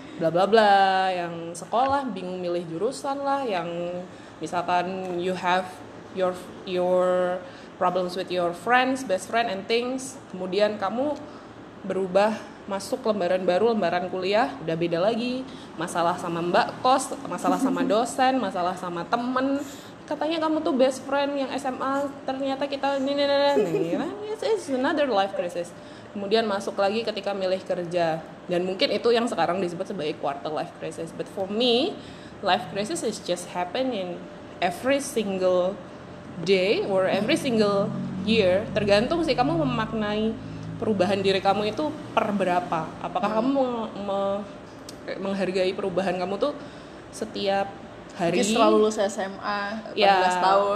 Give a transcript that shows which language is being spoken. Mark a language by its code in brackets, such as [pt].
[id] Bla bla bla, yang sekolah bingung milih jurusan lah, yang misalkan [en] you have your problems with your friends, best friend and things, [id] kemudian kamu berubah masuk lembaran baru, lembaran kuliah, udah beda lagi, masalah sama mbak kos, masalah sama dosen, masalah sama temen, katanya kamu tuh best friend yang SMA, ternyata kita [en] it's another life crisis. [id] Kemudian masuk lagi ketika milih kerja, dan mungkin itu yang sekarang disebut sebagai quarter life crisis. [en] But for me, life crisis is just happening every single day or every single year. [id] Tergantung sih kamu memaknai perubahan diri kamu itu per berapa. Apakah kamu menghargai perubahan kamu tuh setiap hari? Setelah lulus SMA, 14 tahun.